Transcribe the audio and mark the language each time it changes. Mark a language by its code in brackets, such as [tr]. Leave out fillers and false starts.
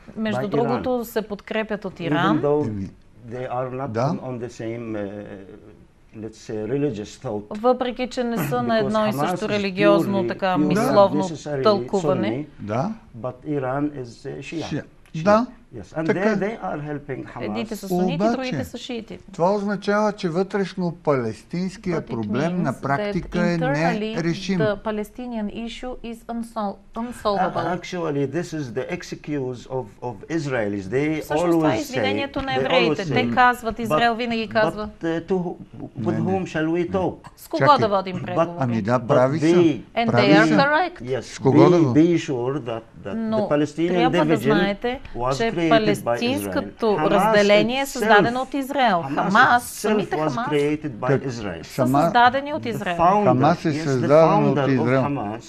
[bg] Между другото, се подкрепят от Иран. [en] They are not on the same let's say religious thought. [bg] Въпреки че не са на едно и също религиозно така мисловно тълкуване. Да. [en] But Iran is Shia. [bg] Да. [en] Yes. And така, they are helping Hamas. [bg] Едните са сунити, другите са шиити. Това означава, че вътрешно палестинския проблем на практика е нерешим. [en] The Palestinian issue is unsolvable. Actually, this is the excuse of Israelis. They always say. [bg] Всъщност, извинението на евреите. Те казват, Израел винаги казва. [en] But with whom shall we talk? [bg] С кого да водим преговори? Ами да, прави са. [en] And they are correct. Yes. Be sure that the Palestinian division was created. [bg] Палестинското разделение е създадено от Израел. Хамас, самите Хамас са създадени от Израел. Хамас е създаден от Израел.